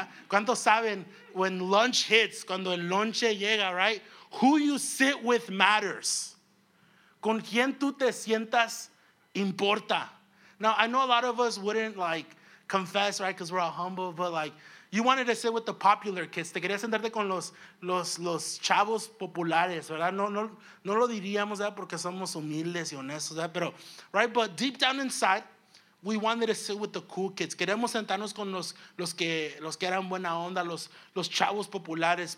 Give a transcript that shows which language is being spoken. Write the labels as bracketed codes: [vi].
[es] ¿Cuántos saben [en] when lunch hits, [es] cuando el lonche llega, right? [en] Who you sit with matters. [es] ¿Con quién tú te sientas importa? [en] Now, I know a lot of us wouldn't, like, confess, right, because we're all humble, but, like, you wanted to sit with the popular kids. [es] Te querías sentarte con los chavos populares, ¿verdad? No lo diríamos, ¿verdad? Porque somos humildes y honestos, ¿verdad? [en] Pero, right, but deep down inside, we wanted to sit with the cool kids. [es] Queremos sentarnos con los que eran buena onda, los chavos populares.